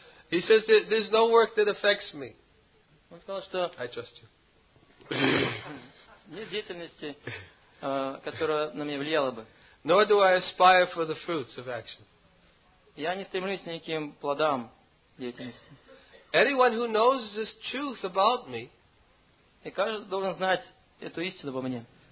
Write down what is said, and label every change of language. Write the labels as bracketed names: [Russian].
[English] He says that there's no work that affects me. [Russian] Он сказал, что [English] I trust you. [Russian] Нет деятельности, которая на меня влияла бы. [English] Nor do I aspire for the fruits of action. [Russian] Я не стремлюсь к никаким плодам деятельности. [English] Anyone who knows this truth about me, [Russian] и каждый должен знать эту истину обо мне.